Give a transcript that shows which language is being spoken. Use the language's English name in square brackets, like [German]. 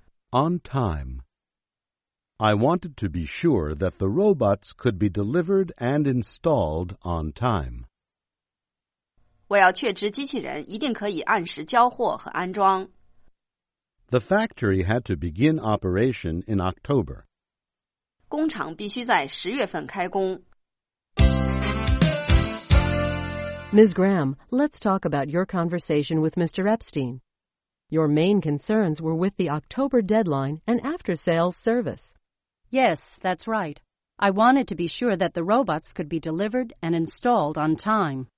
[English] On time I wanted to be sure that the robots could be delivered and installed on time. [Chinese] 我要确知机器人一定可以按时交货和安装 [English] The factory had to begin operation in October. [Chinese] 工厂必须在十月份开工 [English] Ms. Graham, let's talk about your conversation with Mr. Epstein. Your main concerns were with the October deadline and after-sales service. Yes, that's right. I wanted to be sure that the robots could be delivered and installed on time.